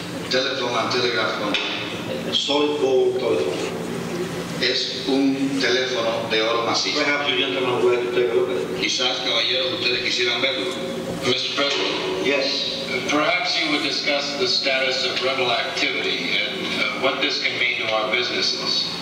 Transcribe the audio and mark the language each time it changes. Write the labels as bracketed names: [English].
[English] Telephone and Telegraph Company. Solid gold telephone. [Spanish] Es un teléfono de oro macizo. [English] Perhaps you gentlemen would like to take a look at it. [Spanish] Quizás, caballero, ustedes quisieran verlo. [English] Mr. President. Yes. Perhaps you would discuss the status of rebel activity and what this can mean to our businesses.